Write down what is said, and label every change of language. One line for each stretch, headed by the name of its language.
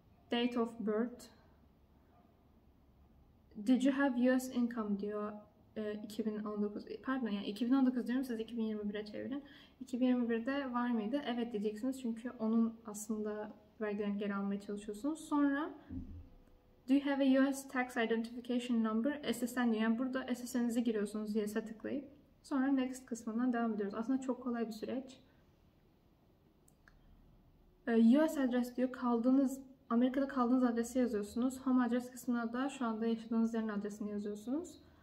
English: Date of birth. Did you have US income
Turkish: diyor. 2019, pardon yani 2019 diyorum, siz 2021'e çevirin. 2021'de var mıydı? Evet diyeceksiniz çünkü onun aslında vergilerini geri almaya çalışıyorsunuz. Sonra
English: Do you have a US tax identification number?
Turkish: SSN diyor. Yani burada SSN'inizi giriyorsunuz, yes'e tıklayıp. Sonra next kısmından devam ediyoruz. Aslında çok kolay bir süreç. US adres diyor. Amerika'da kaldığınız adresi yazıyorsunuz. Home adres kısmına da şu anda yaşadığınız yerin adresini yazıyorsunuz.